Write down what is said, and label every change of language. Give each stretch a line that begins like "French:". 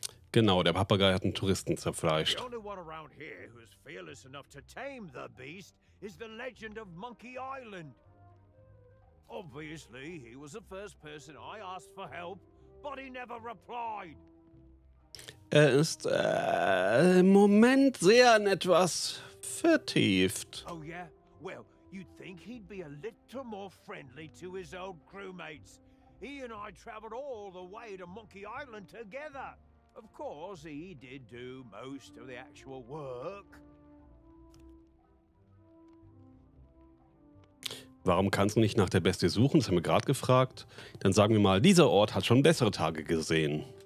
German: Genau, der Papagei hat einen Touristen zerfleischt.
English: The only one around here who is fearless enough to tame the beast is the legend of Monkey Island. Obviously, he was the first person I asked for help, but he never replied.
German: Er ist im Moment sehr in etwas vertieft.
English: Oh yeah? Well, you'd think he'd be a little more friendly to his old crewmates. He and I traveled all the way to Monkey Island together. Of course, he did do most of the actual work.
German: Warum kannst du nicht nach der Bestie suchen? Das haben wir gerade gefragt. Dann sagen wir mal, dieser Ort hat schon bessere Tage gesehen.